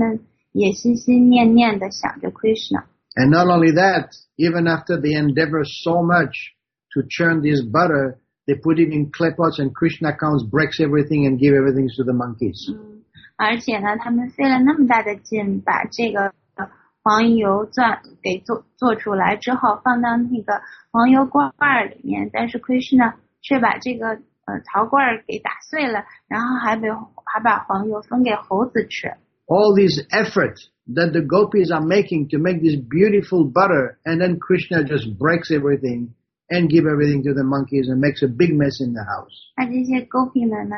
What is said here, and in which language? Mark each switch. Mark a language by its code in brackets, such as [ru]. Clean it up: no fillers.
[zh] 搅拌这个酥油是非常的累人的一件事情，但是与此同时，他们也心心念念的想着 Krishna. [en] And not only that, even after they endeavor so much to churn this butter, they put it in clay pots, and Krishna comes, breaks everything, and gives everything to the monkeys. [zh] 而且呢，他们费了那么大的劲，把这个黄油做出来之后，放到那个黄油罐里面，但是 Krishna 却把这个陶罐给打碎了，然后还把黄油分给猴子吃。 [en] All these efforts that the gopis are making to make this beautiful butter, and then Krishna just breaks everything and give everything to the monkeys and makes a big mess in the house.